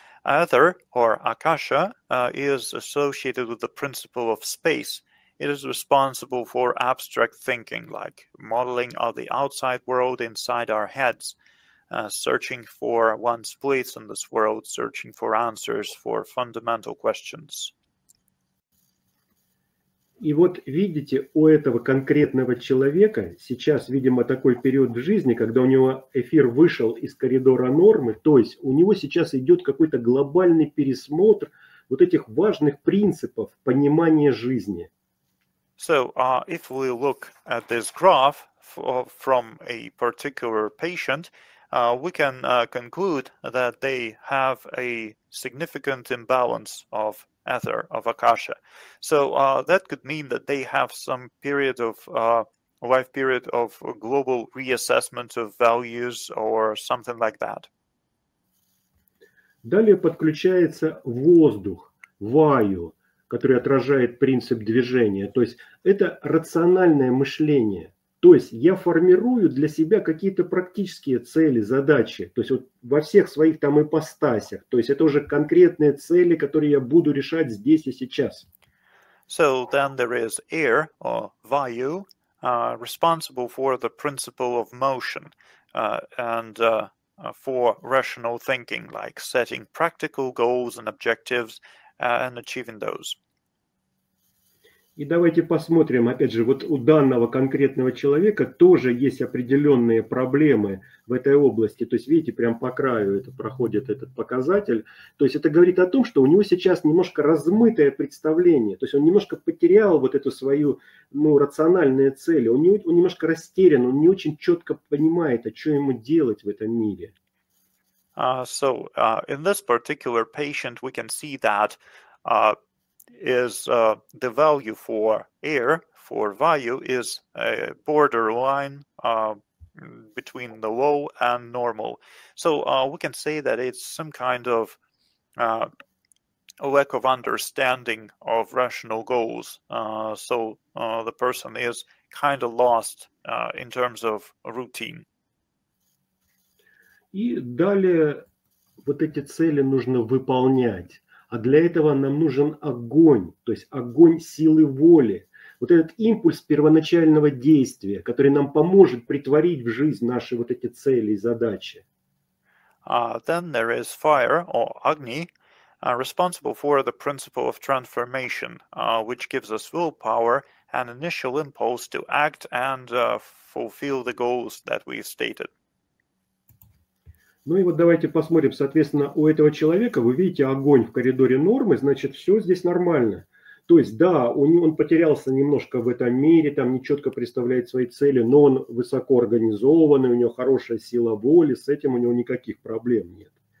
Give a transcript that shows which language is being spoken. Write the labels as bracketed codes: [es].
[en] Aether, or Akasha, is associated with the principle of space. It is responsible for abstract thinking, like modeling of the outside world inside our heads, searching for one's place in this world, searching for answers for fundamental questions. [ru] И вот видите, у этого конкретного человека сейчас, видимо, такой период в жизни, когда у него эфир вышел из коридора нормы, то есть у него сейчас идет какой-то глобальный пересмотр вот этих важных принципов понимания жизни. [en] So, if we look at this graph from a particular patient, we can conclude that they have a significant imbalance of Aether of Akasha. So that could mean that they have some period of life period of global reassessment of values or something like that. [ru] Далее подключается воздух, ваю, который отражает принцип движения. То есть это рациональное мышление. То есть я формирую для себя какие-то практические цели, задачи, то есть вот во всех своих там ипостасях. То есть это уже конкретные цели, которые я буду решать здесь и сейчас. [en] So then there is air, or vayu, responsible for the principle of motion and for rational thinking, like setting practical goals and objectives and achieving those. [ru] И давайте посмотрим, опять же, вот у данного конкретного человека тоже есть определенные проблемы в этой области. То есть, видите, прямо по краю это проходит этот показатель. То есть, это говорит о том, что у него сейчас немножко размытое представление. То есть, он немножко потерял вот эту свою, ну, рациональные цели. Он немножко растерян, он не очень четко понимает, а что ему делать в этом мире. [en] In this particular patient we can see that is the value for air, for vayu, is a borderline between the low and normal. So we can say that it's some kind of lack of understanding of rational goals. So the person is kind of lost in terms of routine. [ru] И далее вот эти цели нужно выполнять. А для этого нам нужен огонь, то есть огонь силы воли. Вот этот импульс первоначального действия, который нам поможет притворить в жизнь наши вот эти цели и задачи. [en] Then there is fire, or agni, responsible for the principle of transformation, which gives us willpower and initial impulse to act and fulfill the goals that we stated. [ru] Ну и вот давайте посмотрим, соответственно, у этого человека, вы видите огонь в коридоре нормы, значит, все здесь нормально. То есть, да, он потерялся немножко в этом мире, там не четко представляет свои цели, но он высоко организованный, у него хорошая сила воли, с этим у него никаких проблем нет.